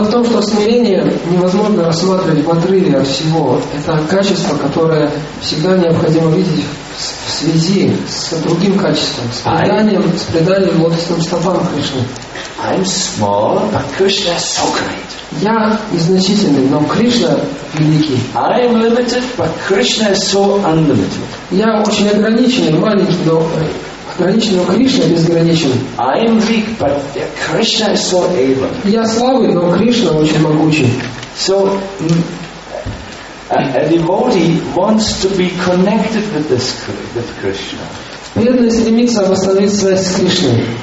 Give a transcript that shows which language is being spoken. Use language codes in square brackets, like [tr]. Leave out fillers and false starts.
[ru] Дело в том, что смирение невозможно рассматривать в отрыве от всего. Это качество, которое всегда необходимо видеть в связи с другим качеством, с преданием, с преданием лотосным стопам Кришны. [en] I'm small, but Krishna is so great. [ru] Я незначительный, но Кришна великий. [en] I am limited, but Krishna is so unlimited. [ru] Я очень ограниченный, маленький, но ограниченный, но Кришна безграничен. [en] I am weak, but Krishna is so able. [ru] Я слабый, но Кришна очень могучий. [en] So a devotee wants to be connected with this with Krishna. [ru] Преданный стремится восстановить связь с Кришной.